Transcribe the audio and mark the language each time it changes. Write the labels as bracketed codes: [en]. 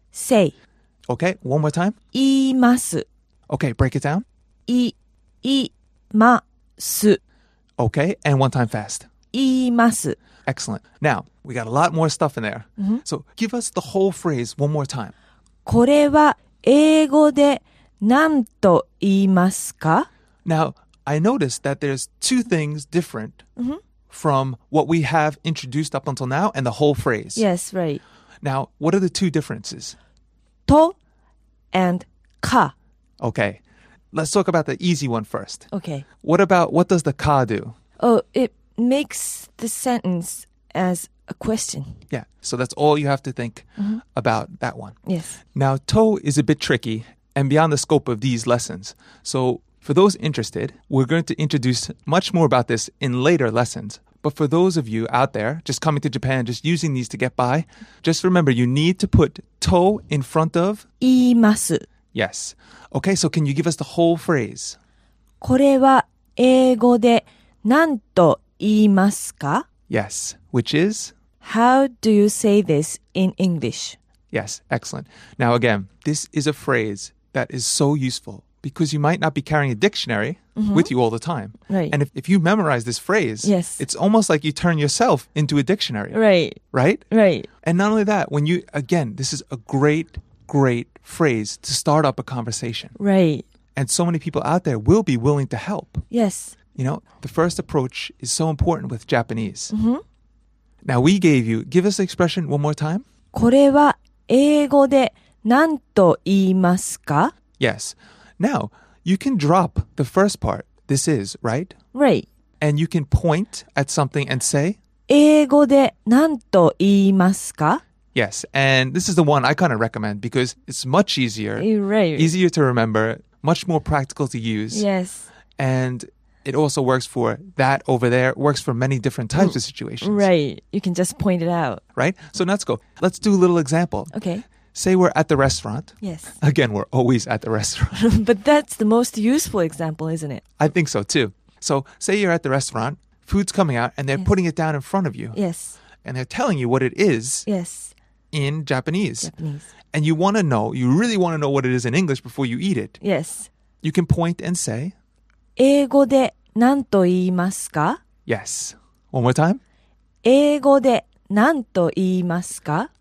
[en] Say. Okay. One more time. [ja] 言います. [en] Okay. Break it down. [ja] 言います. [en] Okay, and one time fast. [ja] 言います。 [en] Excellent. Now, we got a lot more stuff in there. Mm-hmm. So, give us the whole phrase one more time. [ja] これは英語で何と言いますか? [en] Now, I noticed that there's two things different from what we have introduced up until now and the whole phrase. Yes, right. Now, what are the two differences? と and か. Okay. Let's talk about the easy one first. Okay. What does the ka do? Oh, it makes the sentence as a question. Yeah. So that's all you have to think about that one. Yes. Now, to is a bit tricky and beyond the scope of these lessons. So for those interested, we're going to introduce much more about this in later lessons. But for those of you out there just coming to Japan, just using these to get by, just remember you need to put to in front of [ja] 言います. [en] Yes. Okay, so can you give us the whole phrase? [ja] これは英語で何と言いますか? [en] Yes, which is? How do you say this in English? Yes, excellent. Now again, this is a phrase that is so useful because you might not be carrying a dictionary mm-hmm. with you all the time. Right. And if you memorize this phrase, yes. it's almost like you turn yourself into a dictionary. Right. Right? Right. And not only that, when you, again, this is a great, great phrase to start up a conversation. Right. And so many people out there will be willing to help. Yes. You know, the first approach is so important with Japanese. Mm-hmm. Now we gave you, give us the expression one more time. [ja] これは英語で何と言いますか? [en] Yes. Now, you can drop the first part, this is, right? Right. And you can point at something and say, [ja] 英語で何と言いますか? [en] Yes, and this is the one I kind of recommend because it's much easier, right. easier to remember, much more practical to use. Yes. And it also works for that over there. It works for many different types of situations. Right. You can just point it out. Right? So, Natsuko, let's do a little example. Okay. Say we're at the restaurant. Yes. Again, we're always at the restaurant. But that's the most useful example, isn't it? I think so, too. So, say you're at the restaurant. Food's coming out, and they're yes. putting it down in front of you. Yes. And they're telling you what it is. Yes. In Japanese. Japanese. And you want to know, you really want to know what it is in English before you eat it. Yes. You can point and say, [ja] 英語で何と言いますか? [en] Yes. One more time. [ja] 英語で何と言いますか?